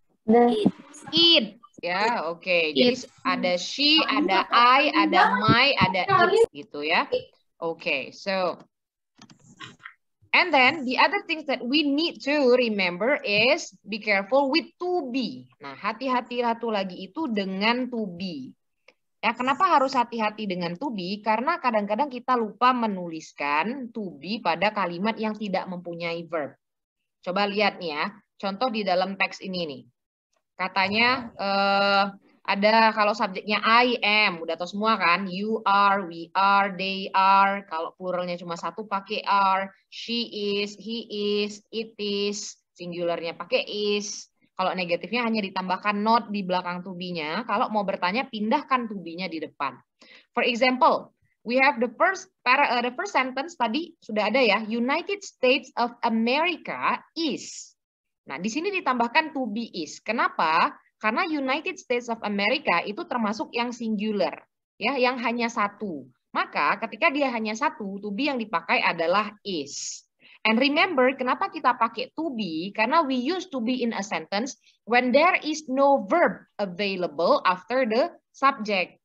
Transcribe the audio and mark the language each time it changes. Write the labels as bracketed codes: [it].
[en] The. [id] It. Ya, okay. It. Jadi ada she, ada I, ada my, ada it. Gitu ya. [en] Okay, so. And then, the other thing that we need to remember is be careful with to be. [id] Nah, hati-hati satu lagi itu dengan to be. Ya, kenapa harus hati-hati dengan to be? Karena kadang-kadang kita lupa menuliskan to be pada kalimat yang tidak mempunyai verb. Coba lihat nih ya, contoh di dalam teks ini nih. Katanya ada kalau subjeknya [en] I am, [id] udah tahu semua kan? [en] You are, we are, they are. [id] Kalau pluralnya cuma satu pakai [en] are. She is, he is, it is. [id] Singularnya pakai [en] is. [id] Kalau negatifnya hanya ditambahkan not di belakang to be-nya. Kalau mau bertanya, pindahkan to be-nya di depan. [en] For example, we have the first sentence [id] tadi sudah ada ya. [en] United States of America is. [id] Nah, di sini ditambahkan to be is. Kenapa? Karena United States of America itu termasuk yang singular, ya, yang hanya satu. Maka ketika dia hanya satu, to be yang dipakai adalah is. [en] And remember, [id] kenapa kita pakai [en] to be? [id] Karena [en] we use to be in a sentence when there is no verb available after the subject.